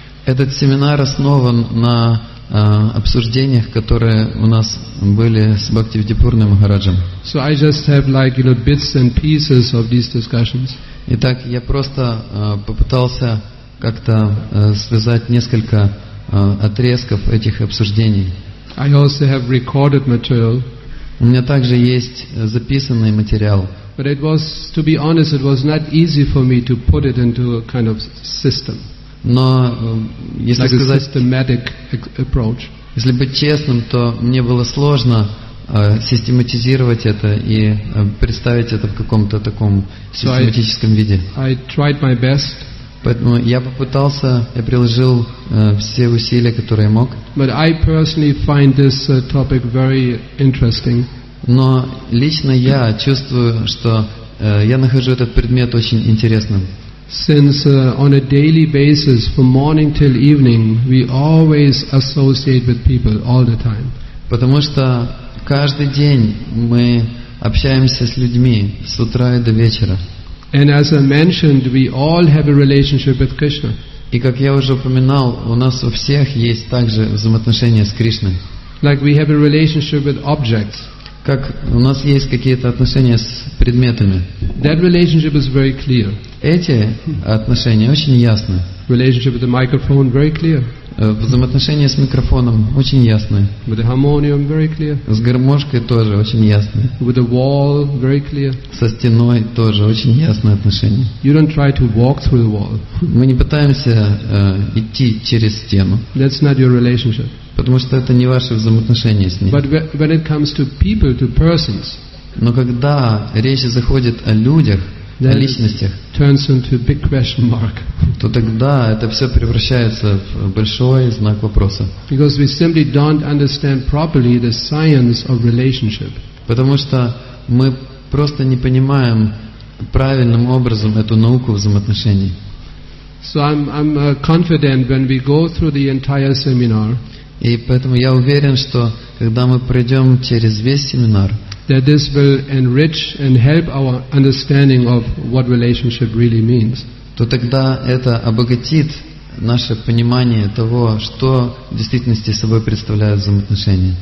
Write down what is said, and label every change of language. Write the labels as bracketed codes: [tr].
[ru] Этот семинар основан на обсуждениях, которые у нас были с Бхактивидьей Пурной Махараджем. [en] So I just have like, you know, bits and pieces of these discussions. [ru] Итак, я просто попытался как-то связать несколько отрезков этих обсуждений. [en] I also have recorded material. [ru] У меня также есть записанный материал. [en] But it was, to be honest, it was not easy for me to put it into a kind of system. [ru] Но если [en] like [ru] сказать, [en] a systematic approach. [ru] Если быть честным, то мне было сложно систематизировать это и представить это в каком-то таком систематическом виде. [en] I tried my best. [ru] Поэтому я попытался, я приложил все усилия, которые я мог. [en] But I personally find this topic very interesting. [ru] Но лично я чувствую, что я нахожу этот предмет очень интересным. [en] Since on a daily basis, from morning till evening, we always associate with people all the time. [ru] Потому что каждый день мы общаемся с людьми с утра и до вечера. [en] And as I mentioned, we all have a relationship with Krishna. [ru] И как я уже упоминал, у нас у всех есть также взаимоотношения с Кришной. [en] Like we have a relationship with objects. [ru] Как у нас есть какие-то отношения с предметами. [en] That relationship is very clear. [ru] Эти отношения очень ясны. [en] Relationship with the microphone very clear. [ru] Взаимоотношения с микрофоном очень ясны. [en] With the harmonium very clear. [ru] С гармошкой тоже очень ясны. [en] With the wall very clear. [ru] Со стеной тоже очень ясные отношения. [en] You don't try to walk through the wall. [ru] Мы не пытаемся идти через стену. [en] That's not your relationship. [ru] Потому что это не ваши взаимоотношения с ней. [en] But when it comes to people, to persons. [ru] Но когда речь заходит о людях, о личностях, [en] turns into a big question mark. [ru] То тогда это все превращается в большой знак вопроса. [en] Because we simply don't understand properly the science of relationship. [ru] Потому что мы просто не понимаем правильным образом эту науку взаимоотношений. [en] So I'm confident when we go through the entire seminar. [ru] И поэтому я уверен, что когда мы пройдем через весь семинар, [en] that this will enrich and help our understanding of what relationship really means. [ru] То тогда это обогатит наше понимание того, что в действительности собой представляют взаимоотношения.